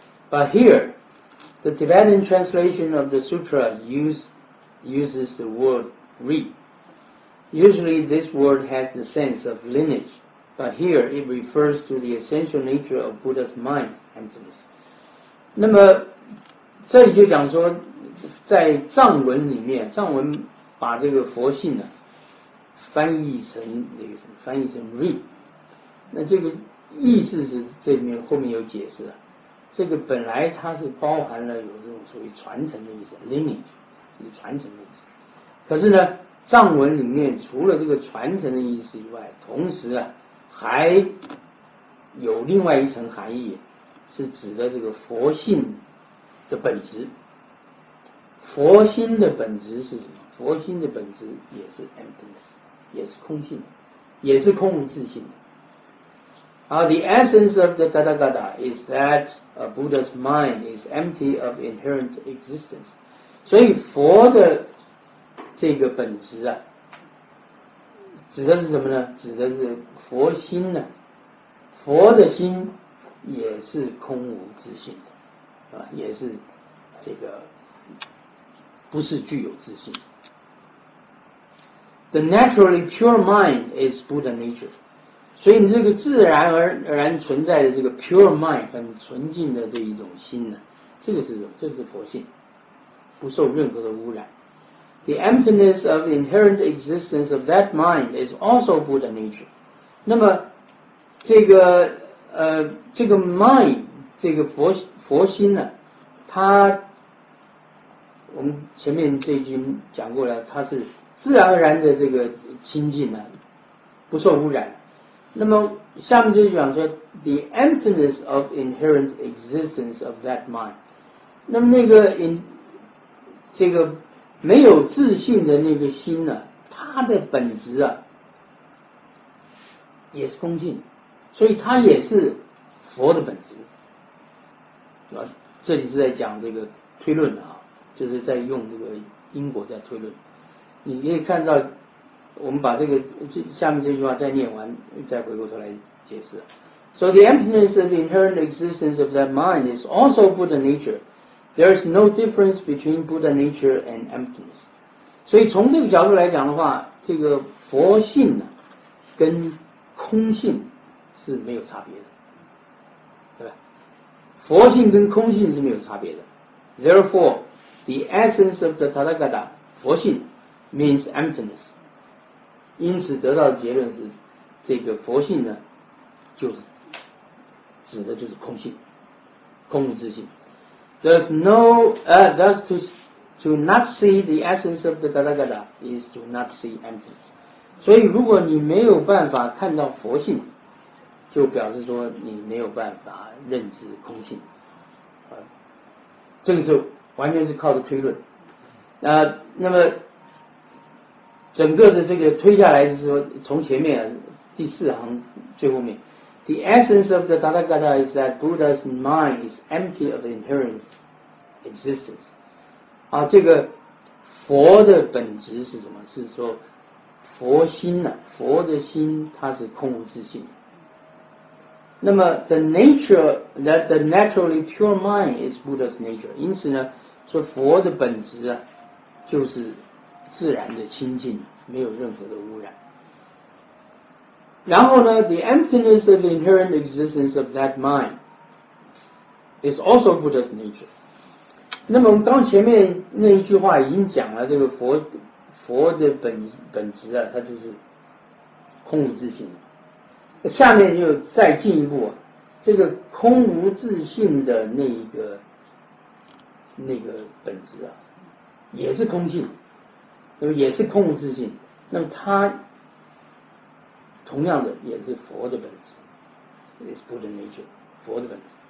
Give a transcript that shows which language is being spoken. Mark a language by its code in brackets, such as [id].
[en] But here the Tibetan translation of the sutra uses the word re. Usually this word has the sense of lineage, but here it refers to the essential nature of Buddha's mind emptiness. [zh] 那么这里就讲说，在藏文里面，藏文把这个佛性呢翻译成 re， 那这个意思是这里面后面有解释啊，这个本来它是包含了有这种所谓传承的意思 lineage， 是传承的意思，可是呢藏文里面除了这个传承的意思以外，同时啊还有另外一层含义，是指的这个佛性的本质。佛心的本质是什么？佛心的本质也是 emptiness， 也是空性，也是空无自性的。 [en] The essence of the Tathagata is that a Buddha's mind is empty of inherent existence. [zh] 所以佛的这个本质啊，指的是什么呢？指的是佛心呢、啊。佛的心也是空无自性的，也是这个不是具有自性的。 [en] The naturally pure mind is Buddha nature. [zh] 所以你这个自然而然存在的这个 pure mind， 很纯净的这一种心呢，这是佛性，不受任何的污染。 [en] The emptiness of the inherent existence of that mind is also Buddha nature。 [zh] 那么这个 mind， 这个佛心呢，它我们前面这一句讲过了，它是自然而然的这个清净呢，不受污染。那么下面就讲说 [en] the emptiness of inherent existence of that mind， [zh] 那么那个 这个没有自信的那个心呢、啊，它的本质啊也是空性，所以它也是佛的本质。这里是在讲这个推论啊，就是在用这个因果在推论。你可以看到我们把这个下面这句话再念完，再回过头来解释。 [en] So the emptiness of the inherent existence of that mind is also Buddha nature. There is no difference between Buddha nature and emptiness. [zh] 所以从这个角度来讲的话，这个佛性呢跟空性是没有差别的，对吧？佛性跟空性是没有差别的。 [en] Therefore the essence of the Tathagata [zh] 佛性 means emptiness， 因此得到的结论是这个佛性呢就是指的就是空性，空无自性。 [en] There's no thus to not see the essence of the Tathagata is to not see emptiness。 [zh] 所以如果你没有办法看到佛性，就表示说你没有办法认知空性，这个时候完全是靠着推论。那么整个的这个推下来，就是说从前面第四行最后面， [en] The essence of the Tathagata is that Buddha's mind is empty of inherent existence。 [zh] 啊，这个佛的本质是什么？是说佛心啊，佛的心它是空无自性。那么 [en] the nature that the naturally pure mind is Buddha's nature， [zh] 因此呢说佛的本质啊就是自然的清净，没有任何的污染。 [en] 然后呢 the emptiness of the inherent existence of that mind is also Buddha's nature。 [zh] 那么我们刚前面那一句话已经讲了，这个佛的本质啊，它就是空无自性。下面就再进一步，这个空无自性的那个本质啊，也是空性，也是空无自性，那么它同样的也是佛的本质， [en] is Buddha nature， [zh] 佛的本质。